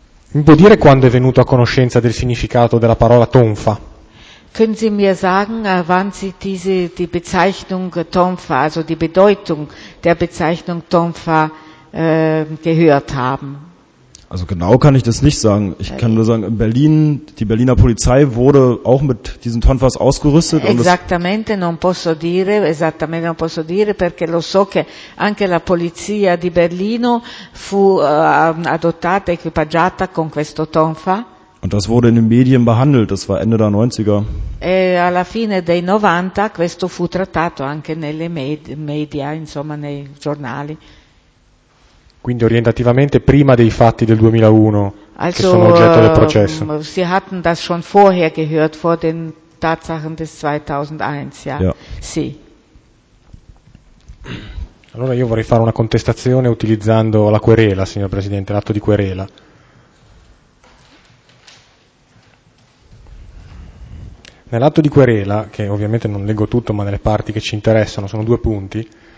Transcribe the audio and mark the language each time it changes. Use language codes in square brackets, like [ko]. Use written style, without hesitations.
[it] Mi può dire quando è venuto a conoscenza del significato della parola tonfa? [de] Können Sie mir sagen, wann Sie die Bezeichnung tonfa, also die Bedeutung der Bezeichnung tonfa gehört haben? Also genau kann ich das nicht sagen. Ich kann nur sagen, in Berlin, die Berliner Polizei wurde auch mit diesen Tonfas ausgerüstet. [it] Esattamente, non posso dire, esattamente non posso dire, perché lo so che anche la polizia di Berlino fu adottata, equipaggiata con questo tonfa. [de] Und das wurde in den Medien behandelt, das war Ende der 90er. [it] E alla fine dei 90 questo fu trattato anche nelle media, insomma nei giornali. Quindi orientativamente prima dei fatti del 2001 [de] also, [it] che sono oggetto del processo. [de] Sie hatten das schon vorher gehört vor den Tatsachen des 2001, ja. Ja. [it] Sì. Allora io vorrei fare una contestazione utilizzando la querela, signor Presidente, l'atto di querela. Nell'atto di querela, che ovviamente non leggo tutto, ma nelle parti che ci interessano, sono due punti.